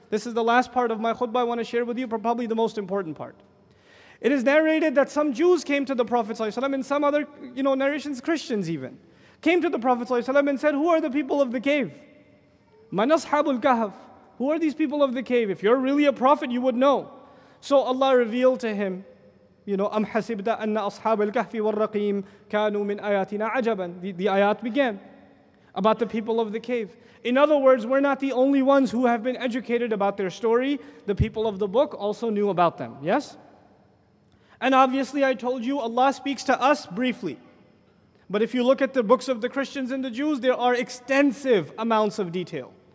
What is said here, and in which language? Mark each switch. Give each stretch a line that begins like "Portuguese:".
English: This is the last part of my khutbah I want to share with you, probably the most important part. It is narrated that some Jews came to the Prophet ﷺ, and some other, you know, narrations, Christians even, came to the Prophet ﷺ and said, who are the people of the cave?
Arabic: مَنْ أَصْحَابُ الْكَهَفِ.
English: Who are these people of the cave? If you're really a prophet, you would know. So Allah revealed to him, you know,
Arabic: أَمْ حَسِبْتَ أَنَّ أَصْحَابَ الْكَهْفِ وَالرَّقِيمِ كَانُوا مِنْ آيَاتِنَا عَجَبًا.
English: The ayat began about the people of the cave. In other words, we're not the only ones who have been educated about their story. The people of the book also knew about them. Yes? And obviously I told you, Allah speaks to us briefly. But if you look at the books of the Christians and the Jews, there are extensive amounts of detail.